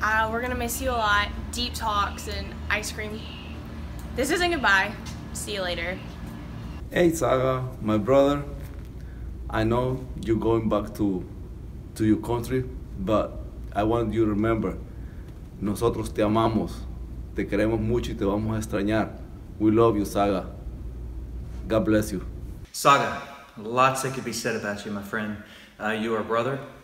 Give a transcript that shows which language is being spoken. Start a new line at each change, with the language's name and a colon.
English: We're gonna miss you a lot. Deep talks and ice cream. This isn't goodbye. See you later. Hey, Saga, my brother. I know you're going back to your country, but I want you to remember,
Spanish: nosotros te amamos. Te queremos mucho y te vamos a extrañar.
English: We love you, Saga. God bless you. Saga, lots that could be said about you, my friend. You are a brother.